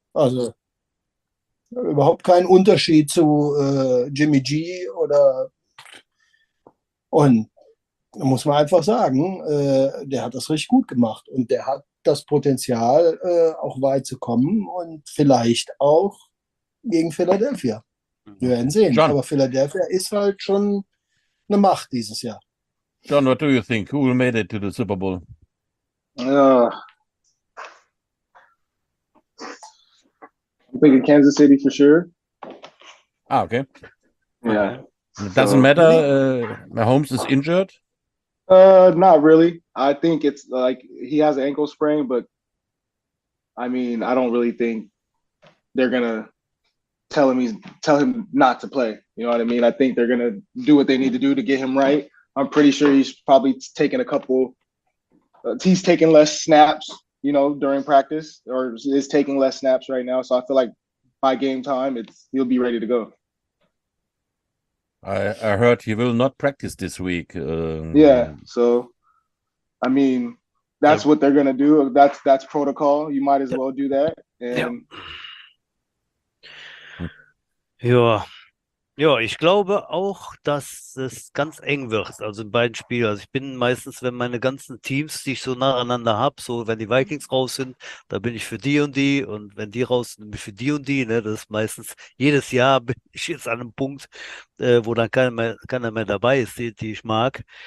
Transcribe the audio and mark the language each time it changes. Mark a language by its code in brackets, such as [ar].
[de] Also überhaupt keinen Unterschied zu Jimmy G oder und muss man einfach sagen, der hat das richtig gut gemacht und der hat das Potenzial auch weit zu kommen und vielleicht auch gegen Philadelphia. Wir werden sehen. John. Aber Philadelphia ist halt schon eine Macht dieses Jahr. [en] John, what do you think? Who made it to the Super Bowl? I'm thinking Kansas City for sure. Ah, okay. Yeah. It doesn't matter. Mahomes is injured. Not really. I think it's like he has an ankle sprain, but I mean, I don't really think they're gonna tell him not to play. You know what I mean? I think they're gonna do what they need to do to get him right. I'm pretty sure he's probably taking a couple. He's taking less snaps, you know, during practice, or is taking less snaps right now. So I feel like by game time, he'll be ready to go. I heard he will not practice this week. Yeah. So, I mean, that's what they're going to do. That's protocol. You might as well do that. And yeah. [de] Ja, ich glaube auch, dass es ganz eng wird, also in beiden Spielen. Also ich bin meistens, wenn meine ganzen Teams, die ich so nacheinander habe, so wenn die Vikings raus sind, da bin ich für die und die, und wenn die raus sind, bin ich für die und die, ne? Das ist meistens jedes Jahr bin ich jetzt an einem Punkt, wo dann keiner mehr dabei ist, die ich mag.